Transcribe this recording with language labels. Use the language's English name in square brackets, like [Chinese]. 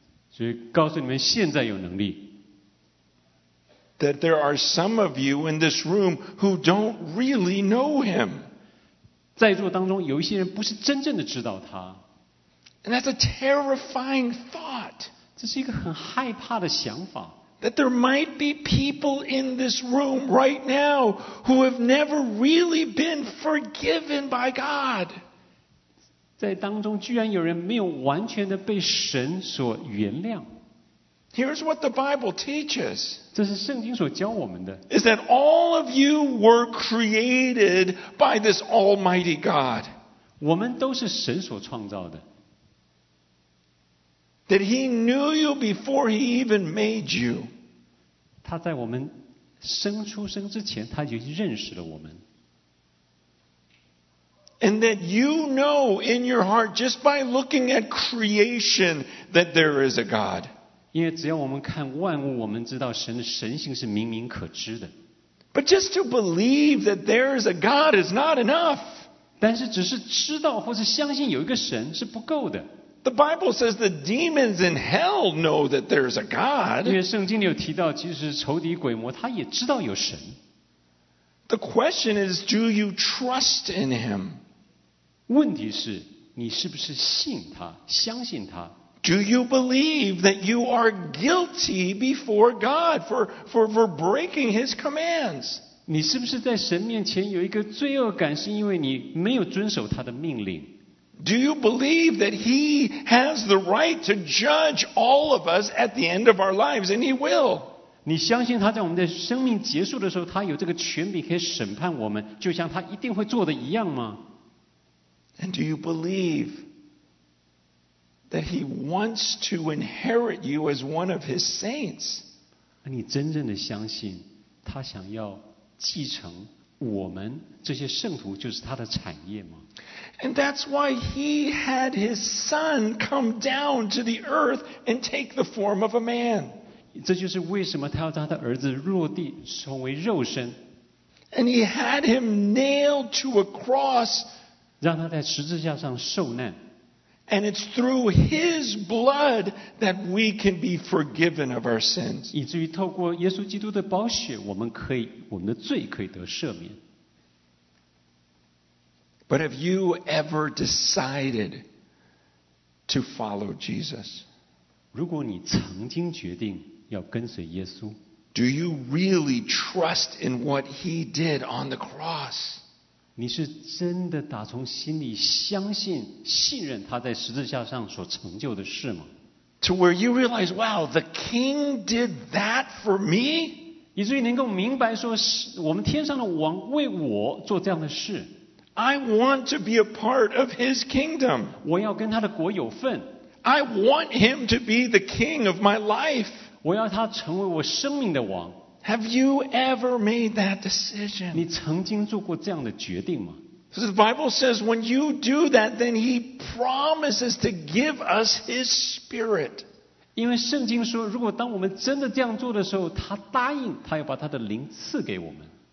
[Chinese] 所以告诉你们现在有能力。 [English] That there are some of you in this room who don't really know him. [Chinese] 在座当中有一些人不是真正的知道他。 [English] And that's a terrifying thought. [Chinese] 这是一个很害怕的想法。 [English] That there might be people in this room right now who have never really been forgiven by God. [Chinese] 在当中居然有人没有完全的被神所原谅。 [English] Here's what the Bible teaches. [Chinese] 这是圣经所教我们的。 [English] Is that all of you were created by this Almighty God. [Chinese] 我们都是神所创造的。 [English] That he knew you before he even made you. [Chinese] 他在我们生出生之前他就认识了我们。 [English] And that you know in your heart just by looking at creation that there is a God. [Chinese] 因为只要我们看万物，我们知道神的神性是明明可知的。 [English] But just to believe that there is a God is not enough. [Chinese] 但是只是知道或是相信有一个神是不够的。 [English] The Bible says the demons in hell know that there is a God. [Chinese] 因为圣经里有提到，即使是仇敌鬼魔，他也知道有神。 [English] The question is, do you trust in him? [Chinese] 问题是你是不是信他相信他。 [English] Do you believe that you are guilty before God for breaking his commands? [Chinese] 你是不是在神面前有一个罪恶感是因为你没有遵守他的命令。 [English] Do you believe that he has the right to judge all of us at the end of our lives, and he will? [Chinese] 你相信他在我们的生命结束的时候他有这个权柄可以审判我们就像他一定会做的一样吗？ [English] And do you believe that he wants to inherit you as one of his saints? [Chinese] 你真正的相信他想要继承我们这些圣徒就是他的产业吗？ [English] And that's why he had his son come down to the earth and take the form of a man. [Chinese] 这就是为什么他要让他的儿子落地成为肉身。 [English] And he had him nailed to a cross, [Chinese] 让他在十字架上受难。 [English] And it's through his blood that we can be forgiven of our sins. [Chinese] 以至于透过耶稣基督的宝血，我们可以我们的罪可以得赦免。 [English] But have you ever decided to follow Jesus? [Chinese] 如果你曾经决定要跟随耶稣。 [English] Do you really trust in what he did on the cross? [Chinese] 你是真的打从心里相信信任他在十字架上所成就的事吗？ [English] To where you realize, wow, the king did that for me? [Chinese] 以至于能够明白说我们天上的王为我做这样的事。 [English] I want to be a part of his kingdom. [Chinese] 我要跟他的国有份。 [English] I want him to be the king of my life. [Chinese] 我要他成为我生命的王。 [English] Have you ever made that decision? [Chinese] 你曾经做过这样的决定吗？ [English] So the Bible says when you do that, then he promises to give us his spirit. [Chinese] 因为圣经说，如果当我们真的这样做的时候，他答应，他要把他的灵赐给我们。